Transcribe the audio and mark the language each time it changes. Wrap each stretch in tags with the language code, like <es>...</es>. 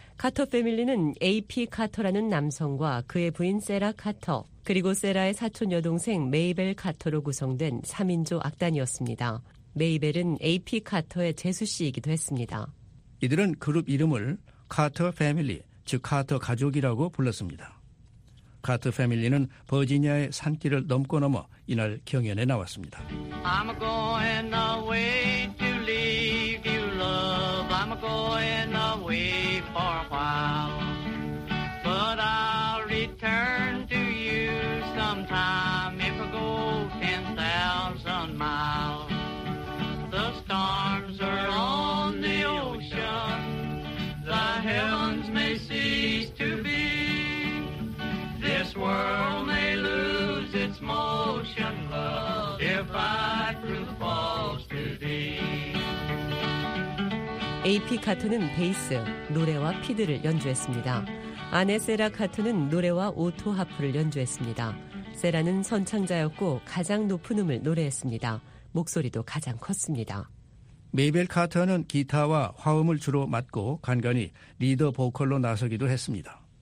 <ko>카터 패밀리는 AP 카터라는 남성과 그의 부인 세라 카터, 그리고 세라의 사촌 여동생 메이벨 카터로 구성된 3인조 악단이었습니다. 메이벨은 AP 카터의 제수 씨이기도 했습니다. 이들은 그룹 이름을 카터 패밀리, 즉 카터 가족이라고 불렀습니다. 카터 패밀리는 버지니아의 산길을 넘고 넘어 이날 경연에 나왔습니다.</ko> <en>I'm going away to leave you love. I'm going away for a while. But I'll return to you sometime if I go 10,000 miles. The storms are on the ocean. The heavens may cease to be. This world may lose its motion, love, if I prove false to thee.</en> <ko>AP 카터는 베이스, 노래와 피드를 연주했습니다. 아내 세라 카트는 노래와 오토 하프를 연주했습니다. 세라는 선창자였고 가장 높은 음을 노래했습니다. 목소리도 가장 컸습니다. 메이벨 카트는 기타와 화음을 주로 맡고 간간이 리더 보컬로 나서기도 했습니다.</ko>